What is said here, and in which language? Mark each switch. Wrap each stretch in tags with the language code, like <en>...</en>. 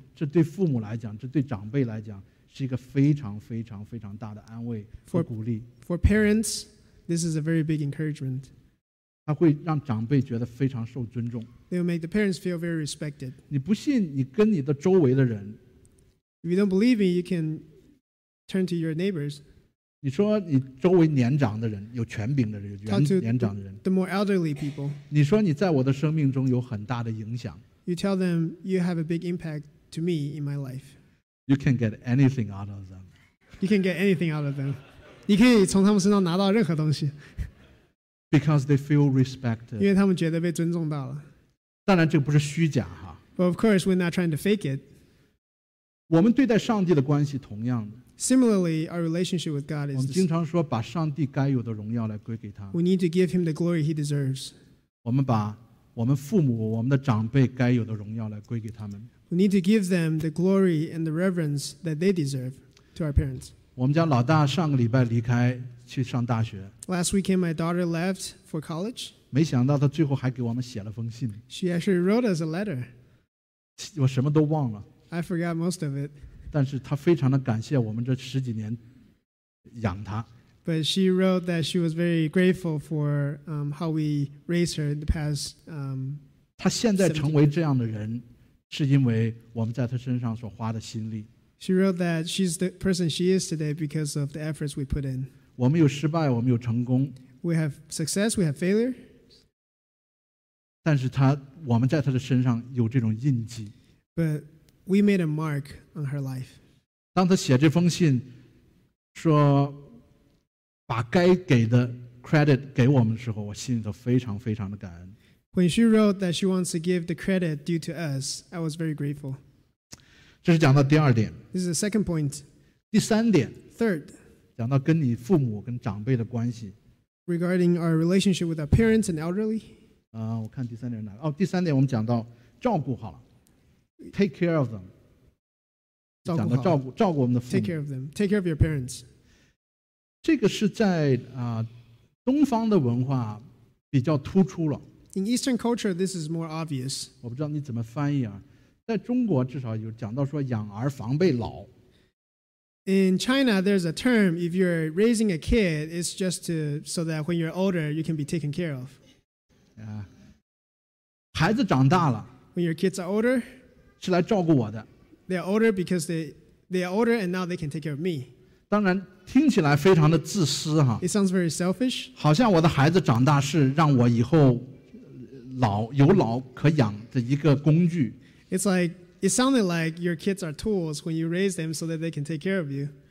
<zh>这对父母来讲，这对长辈来讲，是一个非常非常非常大的安慰和鼓励。</zh> <en>For parents, this is a very big encouragement.</en> <zh>他会让长辈觉得非常受尊重。</zh> <en>They will make the parents feel very respected.</en> <zh>你不信，你跟你的周围的人。</zh> <en>If you don't believe me, you can turn to your neighbors.</en> <zh>你说你周围年长的人，有权柄的人，有年长的人。</zh> <en>Talk to the more elderly people.</en> <zh>你说你在我的生命中有很大的影响。</zh> <en>You tell them you have a big impact to me in my life. You can get anything out of them. You can get anything out of them.</en> <zh>你可以从他们身上拿到任何东西。</zh> <en>Because they feel respected.</en> <zh>因为他们觉得被尊重到了。当然这不是虚假哈。</zh> <en>But of course, we're not trying to fake it.</en> <zh>我们对待上帝的关系同样的。</zh> <en>Similarly, our relationship with God is.</en> <zh>我们经常说把上帝该有的荣耀来归给他。</zh> <en>We need to give him the glory he deserves.</en> <zh>我们把我们父母、我们的长辈该有的荣耀来归给他们。</zh> <en>We need to give them the glory and the reverence that they deserve to our parents.</en> <zh>我们家老大上个礼拜离开去上大学。</zh> <en>Last weekend, my daughter left for college.</en> <zh>没想到她最后还给我们写了封信。</zh> <en>She actually wrote us a letter.</en> <zh>我什么都忘了。</zh> <en>I forgot most of it.</en> <zh>但是她非常的感谢我们这十几年养她。</zh> <en>But she wrote that she was very grateful for how we raised her in the past.</en> <zh>她现在成为这样的人，是因为我们在她身上所花的心力。</zh> <en>She wrote that she's the person she is today because of the efforts we put in.</en> <zh>我们有失败，我们有成功。</zh> <en>We have success, we have failure.</en> <zh>但是她，我们在她的身上有这种印记。</zh> <en>But We made a mark on her life.</en> <zh>当她写这封信，说把该给的 credit 给我们的时候，我心里头非常非常的感恩。</zh> <en>When she wrote that she wants to give the credit due to us, I was very grateful.</en> <zh>这是讲到第二点。</zh> <en>This is the second point.</en> <zh>第三点。</zh> <en>Third.</en> <zh>讲到跟你父母跟长辈的关系。</zh> <en>Regarding our relationship with our parents and elderly.</en> <zh>我看第三点哪？第三点我们讲到照顾好了。</zh> <en>Take care of them.</en> <zh>讲到照顾我们的父母。</zh> <en>Take care of them. Take care of your parents.</en> <zh>这个是在东方的文化比较突出了。</zh> <en>In Eastern culture, this is more obvious.</en> <zh>我不知道你怎么翻译啊。在中国至少有讲到说养儿防备老。</zh> <en>In China, there's a term, if you're raising a kid, it's just to, so that when you're older, you can be taken care of.</en> <zh>孩子长大了。</zh> <en>When your kids are older,</en> <zh>是来照顾我的。</zh> <en>They are older because they are older and now they can take care of me.</en> <zh>当然听起来非常的自私哈。</zh> <en>It sounds very selfish.</en> <zh>好像我的孩子长大是让我以后有老可养的一个工具。</zh> <en>It's like, it sounded like your kids are tools when you raise them so that they can take care of you.</en>